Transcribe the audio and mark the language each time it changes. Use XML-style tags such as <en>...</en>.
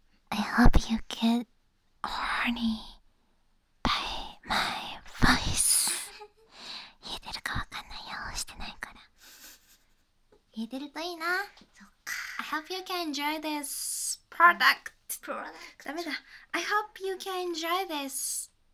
<en>I hope you get horny by my voice.</en> <ja>言えてるかわかんないよ、してないから。言えてるといいな。そっか。</ja> <en>I hope you can enjoy this product. Product.</en> <ja>ダメだ。</ja> <en>I hope you can enjoy this.</en>